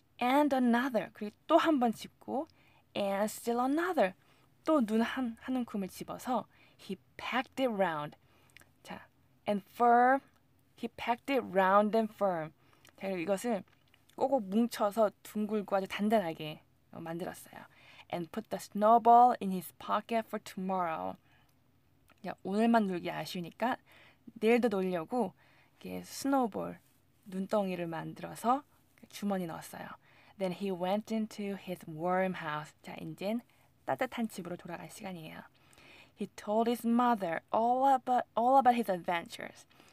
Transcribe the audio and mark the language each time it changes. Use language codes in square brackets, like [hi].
[en] And another. [ko] 그리고 또 한 번 집고 [en] And still another. [ko] 또 눈 한 움큼을 집어서 [en] He packed it round. 자, and firm. He packed it round and firm. [ko] 자, 이것을 꼭꼭 뭉쳐서 둥글고 아주 단단하게 만들었어요. [en] And put the snowball in his pocket for tomorrow. [ko] 야, 오늘만 놀기 아쉬우니까 내일도 놀려고 이렇게 스노우볼, 눈덩이를 만들어서 주머니에 넣었어요. [en] Then he went into his warm house. [ko] 자, 이제 따뜻한 집으로 돌아갈 시간이에요. [en] He told his mother all about his adventures.